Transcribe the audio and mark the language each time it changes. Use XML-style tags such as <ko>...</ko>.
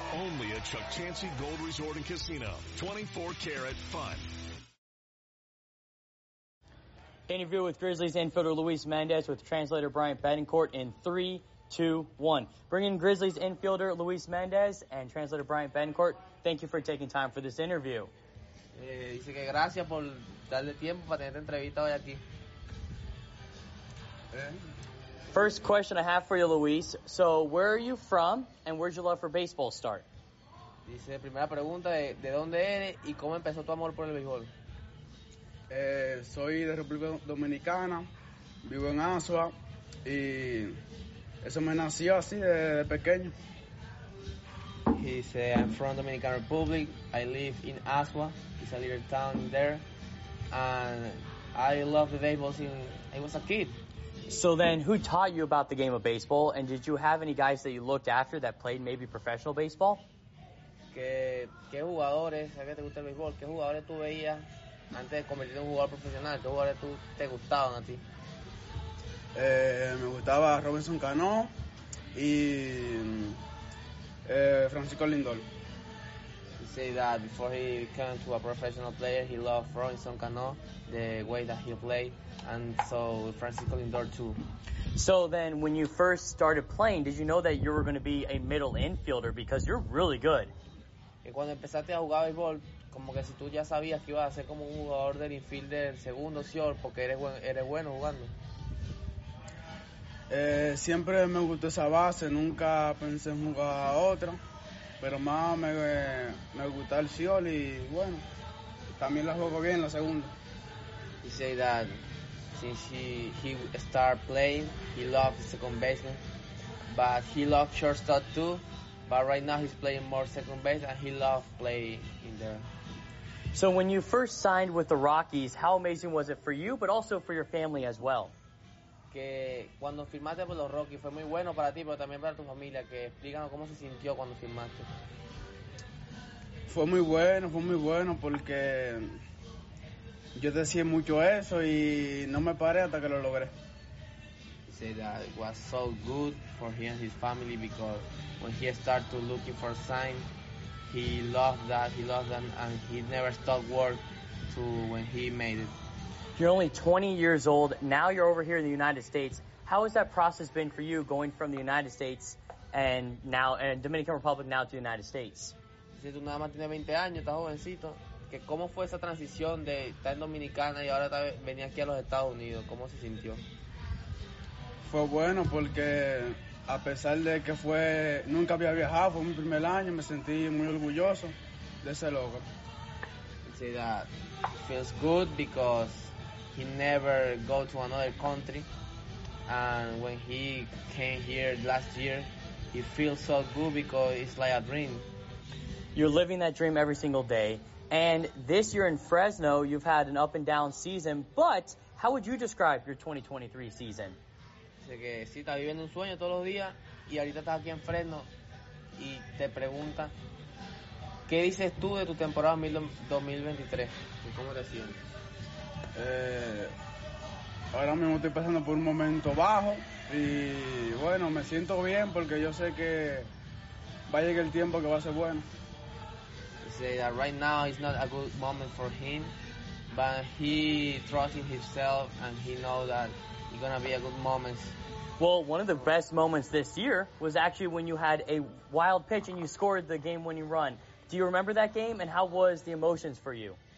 <en>Only at Chuck Chancy Gold Resort and Casino. 24 karat fun. Interview with Grizzlies infielder Luis Mendez with translator Bryant Betancourt in 3, 2, 1. Bring in Grizzlies infielder Luis Mendez and translator Bryant Betancourt. Thank you for taking time for this interview.</en> <es>Dice que gracias por darle tiempo para tener entrevista hoy aquí.</es> <en>First question I have for you, Luis. So where are you from and where's your love for baseball start?</en> <es>Dice primera pregunta de dónde eres y cómo empezó tu amor por el béisbol. Soy de República Dominicana. Vivo en Azua y eso me nació así de pequeño.</es> <en>He said, I'm from Dominican Republic. I live in Azua. It's a little town there. And I love the baseball since I was a kid. So then, who taught you about the game of baseball? And did you have any guys that you looked after that played maybe professional baseball?</en> <es>¿Qué jugadores, a qué te gusta el béisbol? ¿Qué jugadores tú veías antes de convertirte en un jugador profesional? ¿Qué jugadores tú te gustaban a ti? Me gustaba Robinson Cano y Francisco Lindor.</es> <en>He said that before he became to a professional player, he loved Robinson Cano, the way that he played, and so Francisco Lindor too. So then, when you first started playing, did you know that you were going to be a middle infielder? Because you're really good.</en> <es>Que cuando empezaste a jugar béisbol, como que si tú ya sabías que ibas a ser como un jugador del infielder, segundo, señor, porque eres bueno jugando. Siempre me gustó esa base, nunca pensé en jugar a otra, pero más me gusta el señor y bueno, también la juego bien la segunda.</es> <en>He said that since he started playing, he loved second baseman, but he loved shortstop too. But right now he's playing more second base and he loves playing in there. So when you first signed with the Rockies, how amazing was it for you, but also for your family as well?</en> <es>Que cuando firmaste por los Rockies fue muy bueno para ti, pero también para tu familia. Que explícanos cómo se sintió cuando firmaste. Fue muy bueno porque yo decía mucho eso y no me paré hasta que lo logré.</es> <en>Say that it was so good for him and his family because when he started looking for signs, he loved that and he never stopped work to when he made it. You're only 20 years old. Now you're over here in the United States. How has that process been for you going from the United States and now and Dominican Republic now to the United States?</en> <es>Si tú nada más tienes 20 años, estás jovencito. Que cómo fue esa transición de estar en Dominicana y ahora venir aquí a los Estados Unidos. ¿Cómo se sintió? Fue bueno porque a pesar de que fue nunca había viajado, fue mi primer año, me sentí muy orgulloso de ese logro.</es> <en>Say that feels good because he never go to another country, and when he came here last year, it feels so good because it's like a dream. You're living that dream every single day, and this year in Fresno, you've had an up and down season. But how would you describe your 2023 season?</en> <es>Que si estás viviendo un sueño todos los días y ahorita estás aquí en Fresno y te pregunta ¿qué dices tú de tu temporada 2023? ¿Cómo te sientes? Ahora mismo estoy pasando por un momento bajo y bueno, me siento bien porque yo sé que va a llegar el tiempo que va a ser bueno.</es> <en>He said that right now is not a good moment for him, but he trusts in himself and he knows that it's gonna be a good moment. Well, one of the best moments this year was actually when you had a wild pitch and you scored the game-winning run. Do you remember that game and how was the emotions for you?</en>